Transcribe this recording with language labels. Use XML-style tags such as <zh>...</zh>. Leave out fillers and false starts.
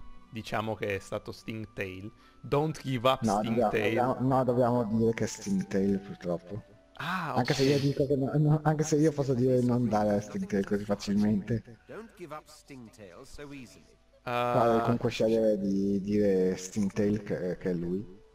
<it>diciamo che è stato Stingtail.</it> <en>Don't give up, no, Stingtail.</en> <it>Dobbiamo dire che è Stingtail, purtroppo. Ah, okay. Anche se io dico che no, anche se io posso dire non dare a Stingtail così facilmente.</it> <en>Don't give up Stingtail so easily.</en> <it>Comunque scegliere di dire Stingtail che è lui.</it>